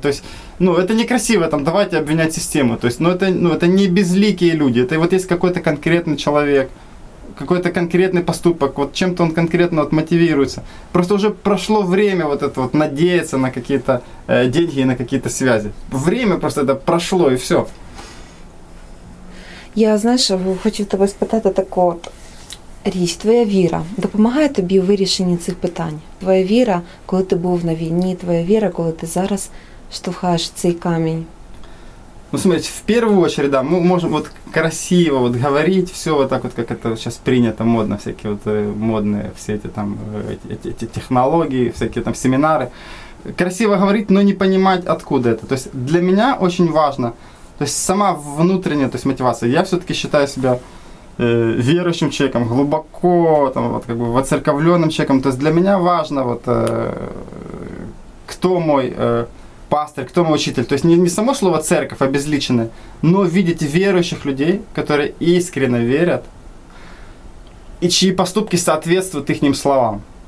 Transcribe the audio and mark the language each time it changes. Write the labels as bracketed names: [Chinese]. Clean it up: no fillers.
[Russian] То есть, ну, это некрасиво, там, давайте обвинять систему. То есть, ну, это не безликие люди. Это вот есть какой-то конкретный человек, какой-то конкретный поступок. Вот чем-то он конкретно вот мотивируется. Просто уже прошло время вот это вот надеяться на какие-то деньги и на какие-то связи. Время просто это прошло, и все. [Ukrainian] Я, знаєш, хочу тебе спитати таку от річ. Твоя віра допомагає тобі у вирішенні цих питань? Твоя віра, коли ти був на війні, твоя віра, коли ти зараз штовхаєш цей камінь? [Russian] Ну, смотри, [Ukrainian] в першу чергу, да, ми можемо от красиво от говорити, все от так от, як це зараз прийнято, модно, всякі от модні всі ці там ці технології, всякі там семінари. Красиво говорити, але не розуміти, откуда це. Тобто для мене дуже важливо. [Russian] То есть сама внутренняя, то есть мотивация. Я все-таки считаю себя верующим человеком, глубоко там, вот, как бы воцерковленным человеком. То есть для меня важно, вот, кто мой пастырь, кто мой учитель. То есть не само слово церковь обезличенное, но видеть верующих людей, которые искренне верят и чьи поступки соответствуют их словам.